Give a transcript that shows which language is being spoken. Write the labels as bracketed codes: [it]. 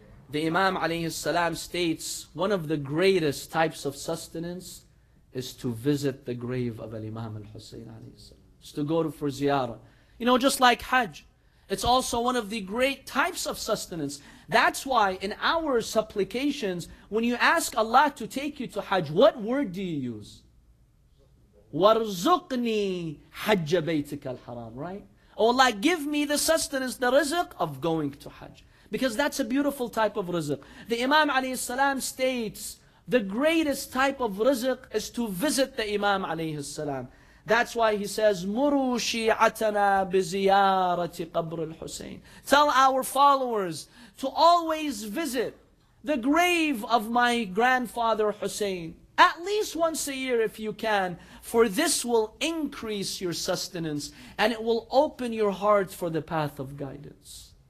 [en] The Imam alayhi salam states, one of the greatest types of sustenance is to visit the grave of Al-Imam Al-Hussein alayhi salam. It's to go for ziyarah. You know, just like Hajj, it's also one of the great types of sustenance. That's why in our supplications, when you ask Allah to take you to Hajj, what word do you use? [ar] وَرْزُقْنِي حَجَّ بَيْتِكَ الْحَرَامِ, right? [en] Oh Allah, give me the sustenance, the rizq of going to Hajj. Because that's a beautiful type of rizq. The Imam alayhi salam states, the greatest type of rizq is to visit the Imam alayhi salam. That's why he says, [ar] مُرُوا شِيعَتَنَا بِزِيَارَةِ قَبْرِ الْحُسَيْنِ. [en] Tell our followers to always visit the grave of my grandfather Hussein. At least once a year if you can, for this will increase your sustenance and it will open your heart for the path of guidance.